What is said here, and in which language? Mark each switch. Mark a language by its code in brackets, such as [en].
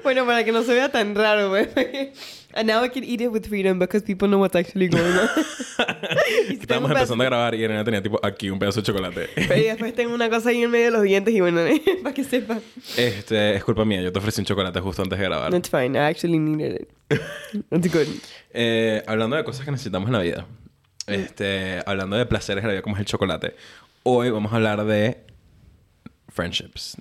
[es] Bueno, para que no se vea tan raro, güey. [en] And now I can eat it with freedom because people know what's actually going on. [es] Estamos empezando a grabar y Ariana tenía tipo aquí un pedazo de chocolate. Pero después tengo una cosa ahí en medio de los dientes y bueno, para que sepa. Es culpa mía, yo te ofrecí un chocolate justo antes de grabar. [en] That's fine, I actually needed it. That's good. [es] Hablando de cosas que necesitamos en la vida, hablando de placeres en la vida como es el chocolate, hoy vamos a hablar de friendships.